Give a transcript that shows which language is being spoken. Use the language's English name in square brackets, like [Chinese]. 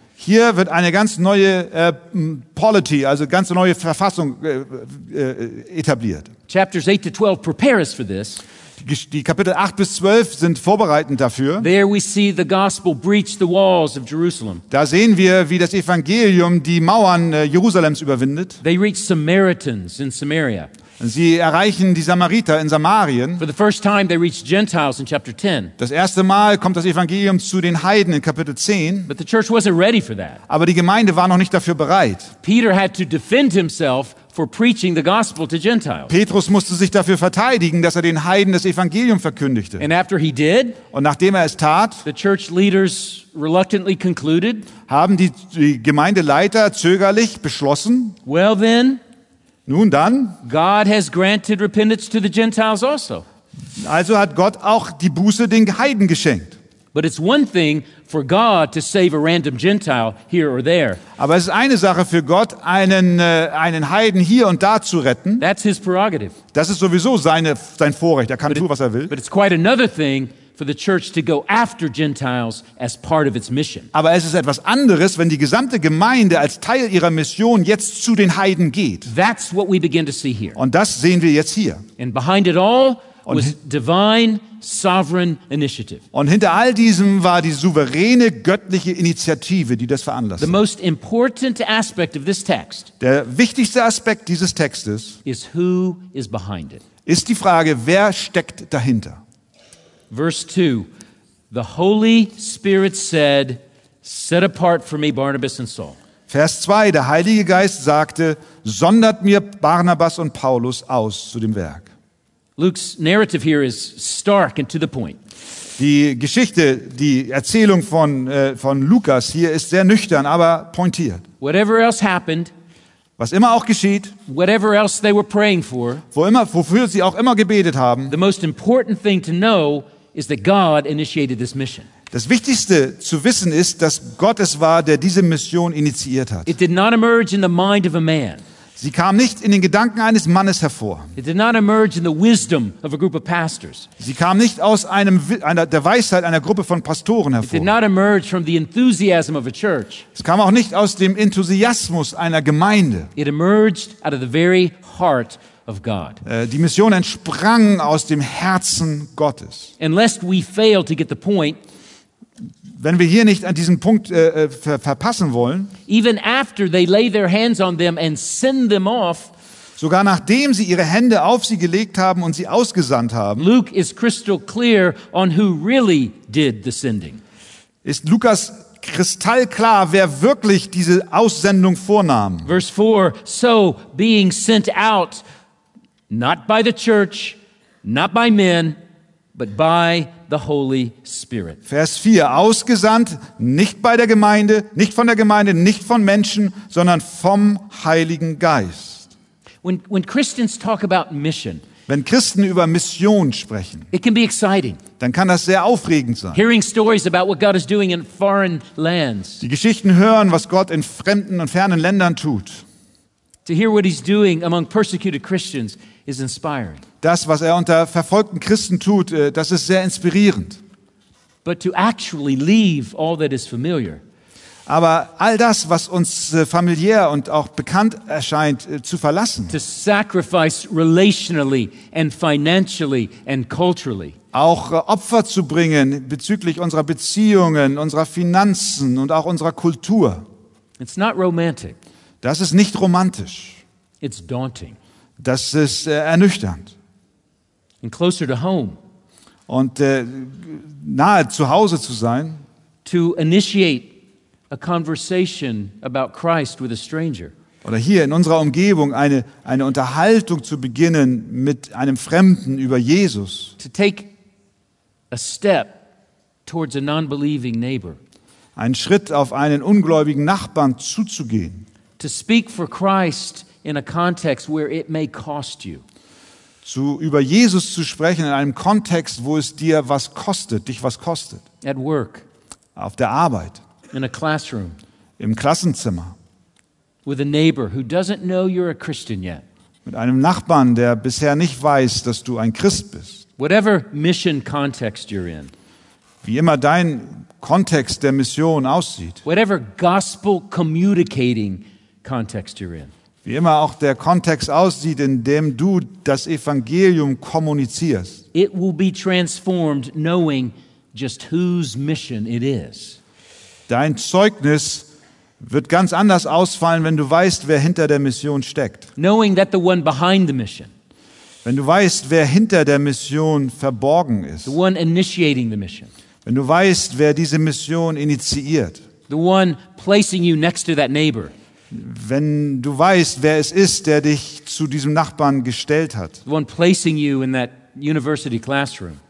[German] Hier wird eine ganz neue Polity, also ganz neue Verfassung etabliert. [English] Chapters 8 to 12 prepare us for this. [German] Die Kapitel 8 bis 12 sind vorbereitend dafür. [English] There we see the gospel breach the walls of Jerusalem. [German] Da sehen wir, wie das Evangelium die Mauern Jerusalems überwindet. [English] They reach Samaritans in Samaria. [German] Sie erreichen die Samariter in Samarien. [English] For the first time they reach Gentiles in chapter 10. [German] Das erste Mal kommt das Evangelium zu den Heiden in Kapitel 10. [English] But the church wasn't ready for that. [German] Aber die Gemeinde war noch nicht dafür bereit. [English] Peter had to defend himself for preaching the gospel to Gentiles. [German] Petrus musste sich dafür verteidigen, dass er den Heiden das Evangelium verkündigte. [English] And after he did, [German] und nachdem er es tat, [English] the church leaders reluctantly concluded, [German] haben die Gemeindeleiter zögerlich beschlossen, [English] well then, [German] nun dann, [English] God has granted repentance to the Gentiles also. [German] Also hat Gott auch die Buße den Heiden geschenkt. [English] But it's one thing for God to save a random Gentile here or there. [German] Aber es ist eine Sache für Gott, einen Heiden hier und da zu retten. [English] That's his prerogative. [German] Das ist sowieso sein Vorrecht. Er kann tun, was er will. [English] But it's quite another thing for the church to go after Gentiles as part of its mission. [German] Aber es ist etwas anderes, wenn die gesamte Gemeinde als Teil ihrer Mission jetzt zu den Heiden geht. [English] That's what we begin to see here. [German] Und das sehen wir jetzt hier. [English] And behind it all was divine sovereign initiative. [German] Und hinter all diesem war die souveräne göttliche Initiative, die das veranlasste. [English] The most important aspect of this text. [German] Der wichtigste Aspekt dieses Textes [English] is who is behind it. [German] Ist die Frage, wer steckt dahinter? [English] Verse 2. The Holy Spirit said, set apart for me Barnabas and Saul. [German] Vers 2. Der Heilige Geist sagte, sondert mir Barnabas und Paulus aus zu dem Werk. [English] Luke's narrative here is stark and to the point. [German] Die Geschichte, die Erzählung von Lukas hier ist sehr nüchtern, aber pointiert. [English] Whatever else happened, [German] was immer auch geschieht, [English] whatever else they were praying for, [German] wofür sie auch immer gebetet haben, [English] the most important thing to know is that God initiated this mission. [German] Das Wichtigste zu wissen ist, dass Gott es war, der diese Mission initiiert hat. [English] It did not emerge in the mind of a man. [German] Sie kam nicht in den Gedanken eines Mannes hervor. [English] It did not emerge in the wisdom of a group of pastors. [German] Sie kam nicht aus der Weisheit einer Gruppe von Pastoren hervor. [English] It did not emerge from the enthusiasm of a church. [German] Es kam auch nicht aus dem Enthusiasmus einer Gemeinde. [English] It emerged out of the very heart of God. [German] Die Mission entsprang aus dem Herzen Gottes. [English] And lest we fail to get the point, [German] wenn wir hier nicht an diesen Punkt verpassen wollen, [English] even after they lay their hands on them and send them off, [German] sogar nachdem sie ihre Hände auf sie gelegt haben und sie ausgesandt haben, [English] Luke is crystal clear on who really did the sending. [German] Ist Lukas kristallklar, wer wirklich diese Aussendung vornahm. [English] Verse 4, so being sent out, not by the church, not by men, but by the Holy Spirit. [German] Vers 4, ausgesandt, nicht bei der Gemeinde, nicht von der Gemeinde, nicht von Menschen, sondern vom Heiligen Geist. [English] When Christians talk about mission, [German] wenn Christen über Mission sprechen, [English] it can be exciting. [German] Dann kann das sehr aufregend sein. [English] Hearing stories about what God is doing in foreign lands. [German] Die Geschichten hören, was Gott in fremden und fernen Ländern tut. [English] To hear what he's doing among persecuted Christians is inspiring. [German] Das, was er unter verfolgten Christen tut, das ist sehr inspirierend. [English] But to actually leave all that is familiar. [German] Aber all das, was uns familiär und auch bekannt erscheint, zu verlassen. [English] To sacrifice relationally and financially and culturally. [German] Auch Opfer zu bringen bezüglich unserer Beziehungen, unserer Finanzen und auch unserer Kultur. [English] It's not romantic. [German] Das ist nicht romantisch. [English] It's daunting. [German] Das ist ernüchternd. [English] And closer to home. [German] Und nahe zu Hause zu sein. [English] To initiate a conversation about Christ with a stranger. [German] Oder hier in unserer Umgebung eine Unterhaltung zu beginnen mit einem Fremden über Jesus. [English] To take a step towards a non-believing neighbor. [German] Einen Schritt auf einen ungläubigen Nachbarn zuzugehen. [English] To speak for Christ in a context where it may cost you. [German] Zu über Jesus zu sprechen in einem Kontext, wo es dir was kostet, dich was kostet. [English] At work. [German] Auf der Arbeit. [English] In a classroom. [German] Im Klassenzimmer. [English] With a neighbor who doesn't know you're a Christian yet. [German] Mit einem Nachbarn, der bisher nicht weiß, dass du ein Christ bist. [English] Whatever mission context you're in. [German] Wie immer dein Kontext der Mission aussieht. [English] Whatever gospel communicating context you're in. [German] Wie immer auch der Kontext aussieht, in dem du das Evangelium kommunizierst. [English] It will be transformed knowing just whose mission it is. [German] Dein Zeugnis wird ganz anders ausfallen, wenn du weißt, wer hinter der Mission steckt. [English] Knowing that the one behind the mission. [German] Wenn du weißt, wer hinter der Mission verborgen ist. [English] The one initiating the mission. [German] Wenn du weißt, wer diese Mission initiiert. [English] The one placing you next to that neighbor. [German] Wenn du weißt, wer es ist, der dich zu diesem Nachbarn gestellt hat. [English] The one placing you in that university classroom.